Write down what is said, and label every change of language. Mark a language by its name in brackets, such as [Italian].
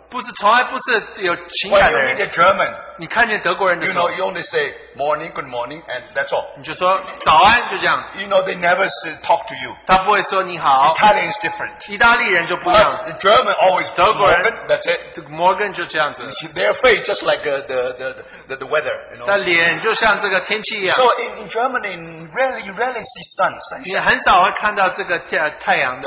[Chinese] 不是从来不是有情感的人. [English] When you meet a German, [Chinese] 你看见德国人的时候, [English] you know, you only say morning, good morning, and that's all. [Chinese] 你就说早安, 就这样. [English] You know, they never talk to you. [Chinese] 他不会说你好. [English] Italian is different. [Chinese] 意大利人就不一样. [English] But the German always, [Chinese] 德国人, [English] Morgan, that's it. [Chinese] Morgan 就这样子. [English] Their face just like the weather, you know. [Chinese] 但脸就像这个天气一样. [English] So in Germany, you rarely see sun. [Chinese] 你很少会看到这个太阳的.